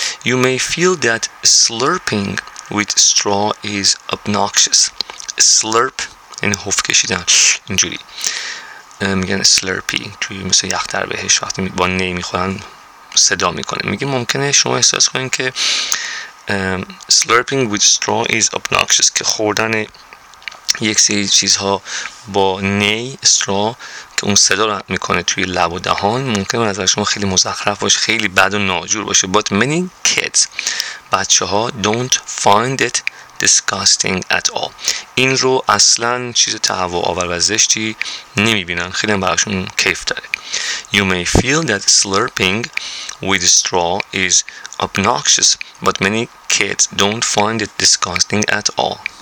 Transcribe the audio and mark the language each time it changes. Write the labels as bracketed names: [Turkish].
[English] You may feel that slurping with straw is obnoxious. [Persian] Slurp, یعنی هف کشیدن اینجوری, میگن slurpy, توی مثل یختر بهش وقتی با نی میخورن صدا میکنه. میگه ممکنه شما احساس کنید که [English] slurping with straw is obnoxious, [Persian] که خوردن یک سری چیزها با نی, straw, که اون صدا رو میکنه توی لب و دهان, ممکنه از شما خیلی مزخرف باشه, خیلی بد و ناجور باشه. [English] But many kids, [Persian] بچه ها, [English] don't find it disgusting at all. [Persian] این رو اصلا چیز تهوع آور و زشتی نمیبینن, خیلی هم براشون کیف داره. [English] You may feel that slurping with straw is obnoxious, but many kids don't find it disgusting at all.